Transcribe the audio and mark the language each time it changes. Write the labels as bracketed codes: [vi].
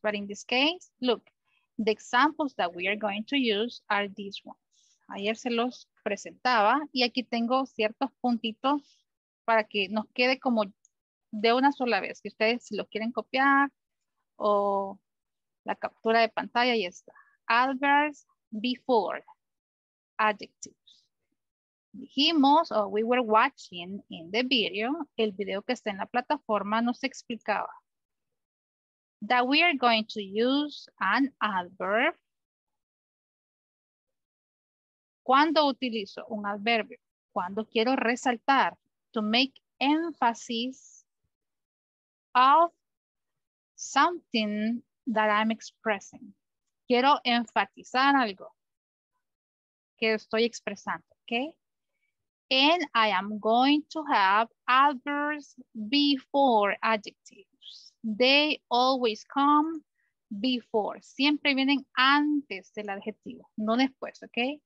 [en] But in this case, look, the examples that we are going to use are these ones. [es] Ayer se los presentaba y aquí tengo ciertos puntitos para que nos quede como de una sola vez, que ustedes si lo quieren copiar o la captura de pantalla, ya está. [en] Adverbs before adjectives. [es] Dijimos, [en] we were watching in the video, [es] el video que está en la plataforma nos explicaba [en] that we are going to use an adverb. [es] ¿Cuándo utilizo un adverbio? Cuando quiero resaltar. [en] To make emphasis of something that I'm expressing. [es] Quiero enfatizar algo que estoy expresando, okay? [en] And I am going to have adverbs before adjectives. They always come before. [es] Siempre vienen antes del adjetivo, no después, okay?